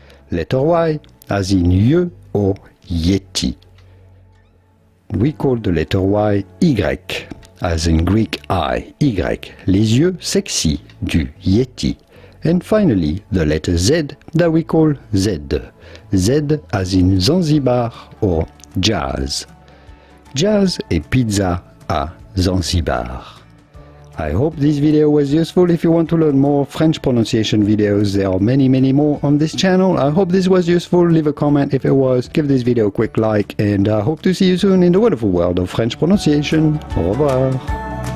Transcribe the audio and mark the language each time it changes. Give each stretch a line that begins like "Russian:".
English: Letter Y, as in yeux or yeti. We call the letter Y Y, as in Greek I, Y,
French: les yeux sexy du yeti.
English: And finally, the letter Z, that we call Z. Z, as in Zanzibar or jazz.
French: Jazz et pizza à Zanzibar.
English: I hope this video was useful. If you want to learn more French pronunciation videos, there are many, many more on this channel. I hope this was useful. Leave a comment if it was. Give this video a quick like, and I hope to see you soon in the wonderful world of French pronunciation.
French: Au revoir.